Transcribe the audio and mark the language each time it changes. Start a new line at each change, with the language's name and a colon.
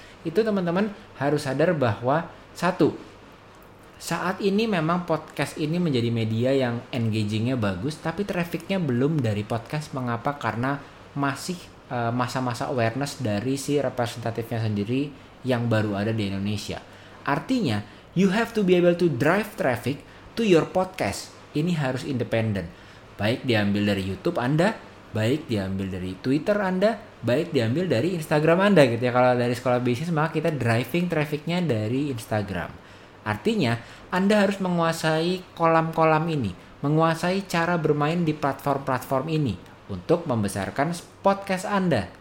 Indonesian: Itu teman-teman harus sadar bahwa satu, saat ini memang podcast ini menjadi media yang engagingnya bagus, tapi trafficnya belum dari podcast. Mengapa? Karena masih masa-masa awareness dari si representatifnya sendiri yang baru ada di Indonesia. Artinya,
English: you have to be able to drive traffic to your podcast.
Indonesian: Ini harus independen. Baik diambil dari YouTube Anda, baik diambil dari Twitter Anda, baik diambil dari Instagram Anda gitu ya. Kalau dari sekolah bisnis, maka kita driving trafficnya dari Instagram. Artinya, Anda harus menguasai kolam-kolam ini, menguasai cara bermain di platform-platform ini untuk membesarkan podcast Anda.